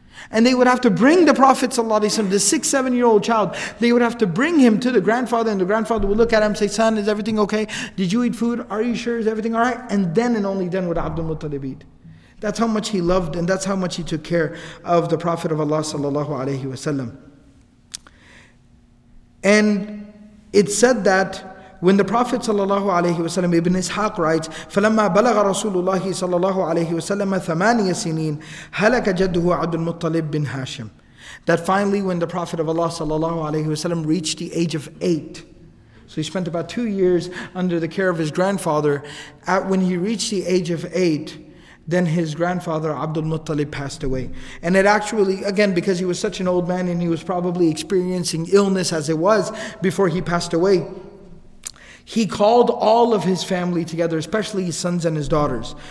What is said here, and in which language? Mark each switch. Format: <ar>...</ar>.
<en>And they would have to bring the Prophet ﷺ, the 6-7-year-old child, they would have to bring him to the grandfather, and the grandfather would look at him and say, son, is everything okay? Did you eat food? Are you sure? Is everything all right? And then and only then would Abdul Muttalib eat. That's how much he loved, and that's how much he took care of the Prophet of Allah sallallahu alayhi wa sallam. And it said that when the Prophet sallallahu alayhi wa sallam, Ibn Ishaq writes,</en> <ar>فَلَمَّا بَلَغَ رَسُولُ اللَّهِ صَلَّى اللَّهُ عَلَيْهِ وَسَلَّمَ ثَمَانِيَ سِنِينَ هَلَكَ جَدُّهُ عَبْدُ الْمُطَّلِبِ بِنْ هَاشِمٍ.</ar> <en>That finally, when the Prophet of Allah sallallahu alayhi wa sallam reached the age of 8, so he spent about 2 years under the care of his grandfather, when he reached the age of 8, then his grandfather Abdul Muttalib passed away. And it actually, again, because he was such an old man and he was probably experiencing illness as it was before he passed away, he called all of his family together, especially his sons and his daughters.</en>